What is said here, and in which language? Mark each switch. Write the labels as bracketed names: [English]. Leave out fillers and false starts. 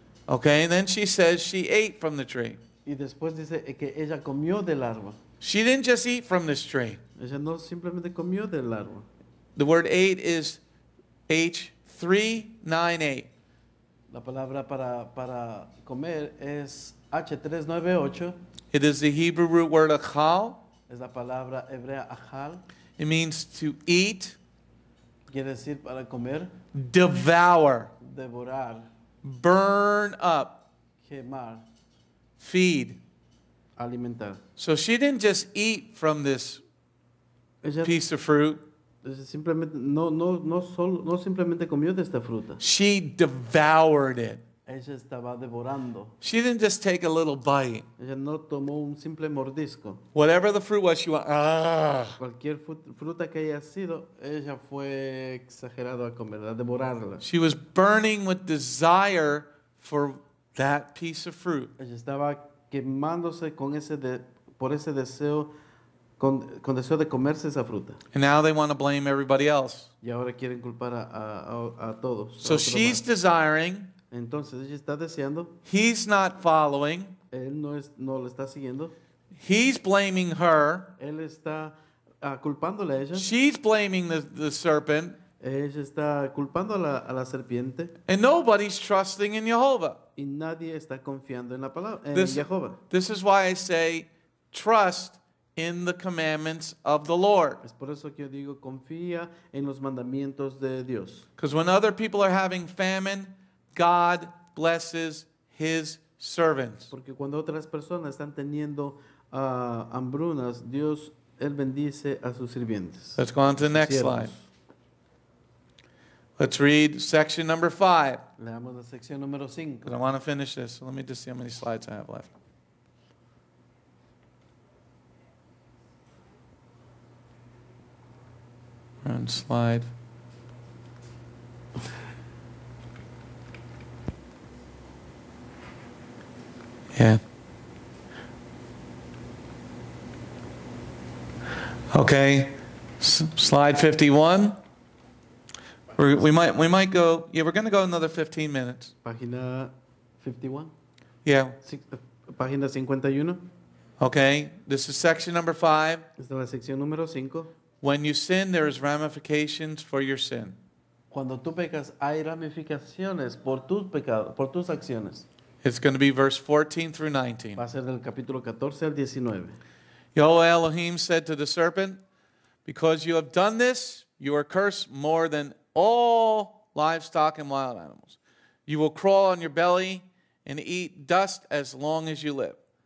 [English] Okay, and then she says she ate from the tree. [Spanish] Y después dice que ella comió del árbol. [English] She didn't just eat from this tree. [Spanish] Ella no simplemente comió del árbol. [English] The word ate is H398. [Spanish] La palabra para comer es H398. [English] It is the Hebrew root word achal. [Spanish] Es la palabra hebrea achal. [English] It means to eat. [Spanish] Quiere decir para comer. [English] Devour. [Spanish] Devorar. [English] Burn up. [Spanish] Quemar. [English] Feed. [Spanish] Alimentar. [English] So she didn't just eat from this piece of fruit. [Spanish] No simplemente comió de esta fruta. [English] She devoured it. [Spanish] Ella estaba devorando. [English] She didn't just take a little bite. [Spanish] Ella no tomó un simple mordisco. [English] Whatever the fruit was, she went, ah. [Spanish] Cualquier fruta que haya sido, ella fue exagerado a comer, a devorarla. [English] She was burning with desire for that piece of fruit. [Spanish] Ella estaba quemándose con ese por ese deseo, con deseo de comerse esa fruta. [English] And now they want to blame everybody else. [Spanish] Y ahora quieren culpar a todos. [English] So she's desiring. [Spanish] Entonces ella está deseando. [English] He's not following. [Spanish] Él no le está siguiendo. [English] He's blaming her. [Spanish] Él está culpándole a ella. [English] She's blaming the serpent. [Spanish] Ella está culpando a la serpiente. [English] And nobody's trusting in Jehovah. [Spanish] Y nadie está confiando en la palabra en Jehovah. [English] This is why I say trust in the commandments of the Lord. [Spanish] Es por eso que yo digo confía en los mandamientos de Dios. [English] Because when other people are having famine, God blesses His servants. [Spanish] Porque cuando otras personas están teniendo hambrunas, Dios él bendice a sus sirvientes. [English] Let's go on to the next slide. Let's read section number 5. [Spanish] Leamos la sección número 5. [English] But I want to finish this, so let me just see how many slides I have left. On slide. Yeah. Okay. Slide 51. We might go. Yeah, we're going to go another 15 minutes. [Spanish] Página 51. [English] Yeah. [Spanish] Página 51. [English] Okay. This is section number 5. [Spanish] Esta es la sección número 5. [English] When you sin, there is ramifications for your sin. [Spanish] Cuando tú pecas, hay ramificaciones por tus pecados, por tus acciones. [English] It's going to be verse 14 through 19. [Spanish] Va a ser del capítulo 14 al 19. [English] Yahweh Elohim said to the serpent, "Because you have done this, you are cursed more than all livestock and wild animals. You will crawl on your belly and eat dust as long as you live.